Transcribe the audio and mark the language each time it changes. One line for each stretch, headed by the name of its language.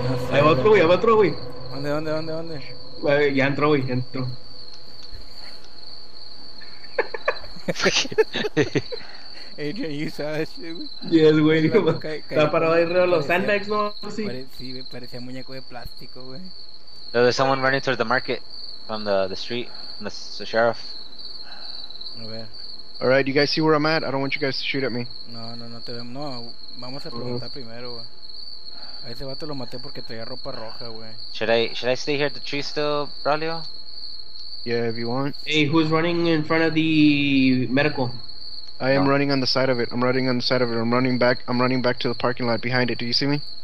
Spanish: Ahí va otro, güey, ahí va otro, güey. ¿Dónde? Ya entró, güey, entró.
English: Adrian, you saw that shit, güey. Yes, güey.
Spanish: Está parado ahí arriba de los sandbox, ¿no? Sí, parecía muñeco de plástico, güey.
English: There's someone running towards the market from the street, from the sheriff.
Spanish: A ver.
English: Alright, you guys see where I'm at? I don't want you guys to shoot at me.
Spanish: No te vemos. No, vamos a preguntar primero, güey. A ese vato lo maté porque traía ropa roja, güey.
English: Should I stay here at the tree still, Braulio? Yeah, if you want. Hey, who's running in front of the medical? I'm running on the side of it. I'm running back to the parking lot behind it. Do you see me?